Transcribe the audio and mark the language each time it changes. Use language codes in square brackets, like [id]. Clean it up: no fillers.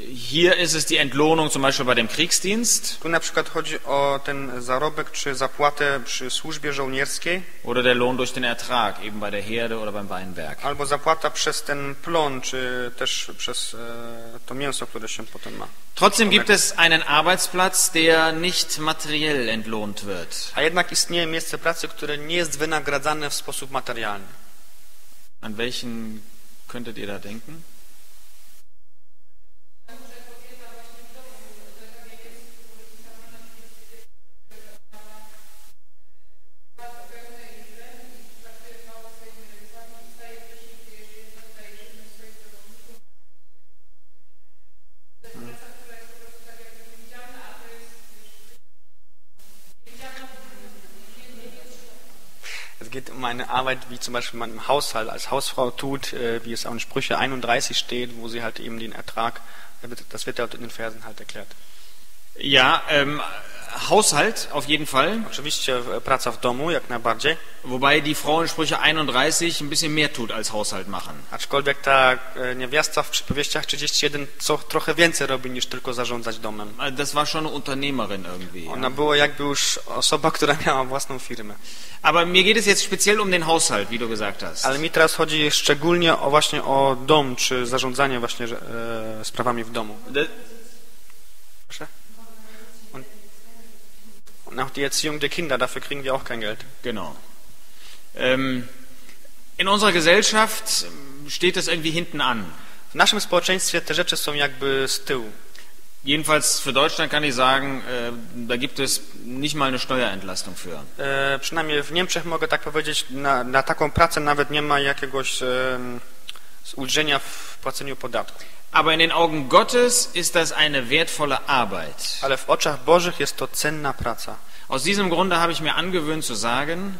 [de] Hier ist es die Entlohnung zum Beispiel bei dem Kriegsdienst. [pl] Tu na przykład chodzi o ten zarobek czy zapłatę przy służbie żołnierskiej. [de] Oder der Lohn durch den Ertrag, eben bei der Herde oder beim Weinberg. [pl] Albo zapłata przez ten plon, czy też przez to mięso, które się potem ma. [de] Trotzdem gibt es einen Arbeitsplatz, der nicht materiell entlohnt wird. [pl] A jednak istnieje miejsce pracy, które nie jest wynagradzane w sposób materialny. [de] An welchen könntet ihr da denken? [en] Thank you. [de] Es geht um eine Arbeit, wie zum Beispiel man im Haushalt als Hausfrau tut, wie es auch in Sprüche 31 steht, wo sie halt eben den Ertrag, das wird dort in den Versen halt erklärt. Ja, Haushalt auf jeden Fall. [pl] Oczywiście praca w domu, jak najbardziej. [de] Wobei die Frau in Sprüche 31 ein bisschen mehr tut als Haushalt machen. [pl] Aczkolwiek ta niewiasta w Przypowieściach 31 co trochę więcej robi niż tylko zarządzać domem. [de] Das war schon Unternehmerin irgendwie. [pl] Ona była jakby już osoba, która miała własną firmę. [de] Aber mir geht es jetzt speziell um den Haushalt, wie du gesagt hast. [pl] Ale mi teraz chodzi szczególnie o właśnie o dom czy zarządzanie właśnie sprawami w domu. Proszę. [de] Nach der Erziehung der Kinder, dafür kriegen wir auch kein Geld. Genau. In unserer Gesellschaft steht das irgendwie hinten an. [pl] W naszym społeczeństwie te rzeczy są jakby z tyłu. [de] Jedenfalls für Deutschland kann ich sagen, da gibt es nicht mal eine Steuerentlastung für. [pl] Przynajmniej w Niemczech mogę tak powiedzieć, na taką pracę nawet nie ma jakiegoś ulżenia w płaceniu podatku. [de] Aber in den Augen Gottes ist das eine wertvolle Arbeit. [pl] Ale w oczach Bożych jest to cenna praca. [de] Aus diesem Grunde habe ich mir angewöhnt zu sagen.